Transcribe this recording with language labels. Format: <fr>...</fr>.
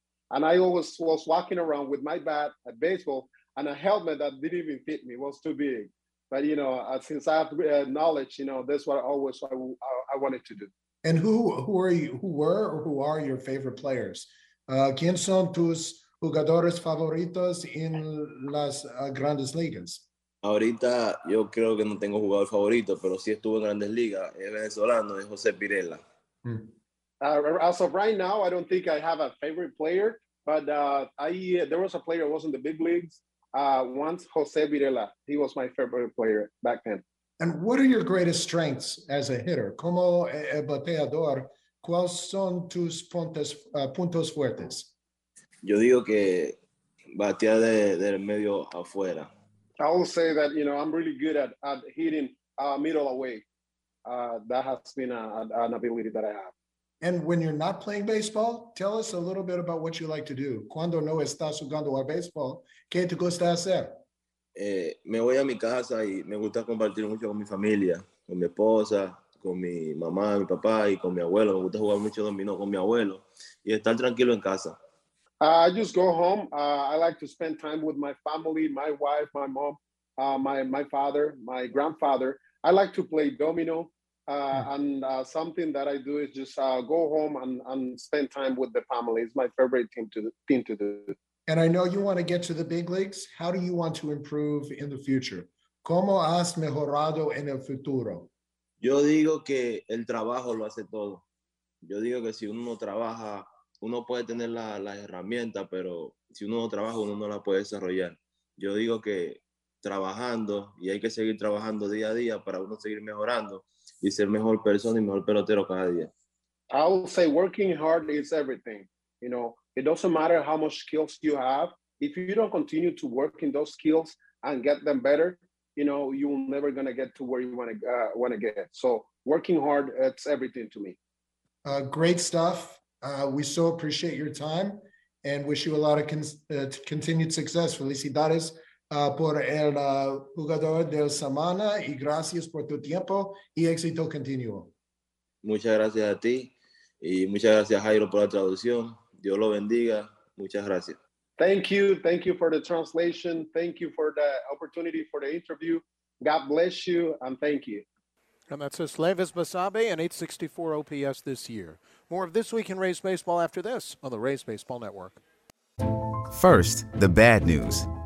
<en>And I always was walking around with my bat at baseball and a helmet that didn't even fit me. It was too big. But, you know, since I have knowledge, you know, that's what I wanted to do. And who are your favorite players?</en> <es>¿Quién son tus jugadores favoritos en las grandes ligas? Ahorita yo creo que no tengo jugador favorito, pero sí estuvo en grandes ligas. El venezolano es José Pirela.</es> <en>As of right now, I don't think I have a favorite player, but there was a player who was in the big leagues once, José Pirela. He was my favorite player back then. And what are your greatest strengths as a hitter?</en> <es>Como bateador, ¿cuáles son tus puntos fuertes? Yo digo que batear del medio afuera.</es> <en>I will say that, you know, I'm really good at hitting middle away. That has been an ability that I have. And when you're not playing baseball, tell us a little bit about what you like to do.</en> <es>Cuando no estás jugando a baseball, ¿qué te gusta hacer? Me voy a mi casa y me gusta compartir mucho con mi familia, con mi esposa, con mi mamá, mi papá y con mi abuelo. Me gusta jugar mucho dominó con mi abuelo y estar tranquilo en casa.</es> <en>I just go home. I like to spend time with my family, my wife, my mom, my father, my grandfather. I like to play domino. Something that I do is just go home and spend time with the family. It's my favorite thing to do. And I know you want to get to the big leagues. How do you want to improve in the future?</en> <es>¿Cómo has mejorado en el futuro? Yo digo que el trabajo lo hace todo. Yo digo que si uno no trabaja, uno puede tener la herramienta, pero si uno no trabaja, uno no la puede desarrollar. Yo digo que trabajando, y hay que seguir trabajando día a día para uno seguir mejorando y ser mejor persona y mejor pelotero cada día.</es> <en>I would say working hard is everything. You know, it doesn't matter how much skills you have. If you don't continue to work in those skills and get them better, you know, you're never going to get to where you want to get. So working hard, it's everything to me. Great stuff. We so appreciate your time and wish you a lot of continued success.</en> <es>Felicidades por el jugador del semana y gracias por tu tiempo y éxito continuo. Muchas gracias a ti y muchas gracias Jairo por la traducción. Dios lo bendiga. Muchas gracias.</es> <en>Thank you. Thank you for the translation. Thank you for the opportunity for the interview. God bless you and thank you. And that's Eslevis Basabe, an 864 OPS this year. More of This Week in Rays Baseball after this on the Rays Baseball Network. First, the bad news.</en>